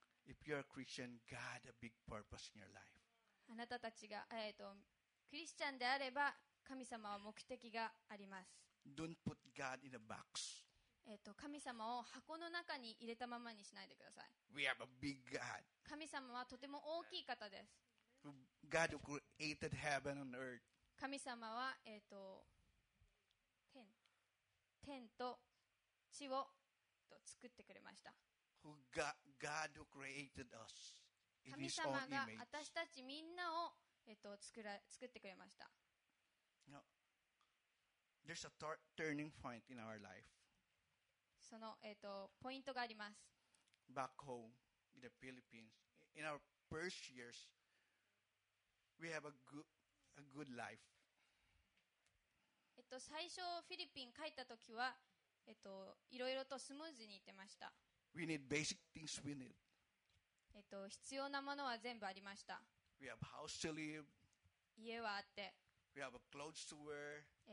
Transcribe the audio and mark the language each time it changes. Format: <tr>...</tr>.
<en>If you are a Christian, God has a big purpose in your life.</en> <ja>あなたたちが、クリスチャンであれば、神様は目的があります。</ja> <en>Don't put God in a box.</en> <ja>神様を箱の中に入れたままにしないでください。</ja> <en>We have a big God.</en> <ja>神様はとても大きい方です。</ja> <en>God who created heaven and earth.</en> <ja>神様は、天と地をと作ってくれました。</ja> <en>God who created us in His own image.</en> <ja>神様が私たちみんなを、作ってくれました。</ja> <en>No. There's a turning point in our life.</en> <ja>その、ポイントがあります。</ja> <en>Back home in the Philippines, in our first years, we have a good life.</en> <ja>最初フィリピン帰った時はいろいろとスムーズにいってました。</ja> <en>We need basic things we need.</en> <ja>必要なものは全部ありました。</ja> <en>We have house to live.</en> <ja>家はあって。</ja> <en>We have clothes to wear.</en>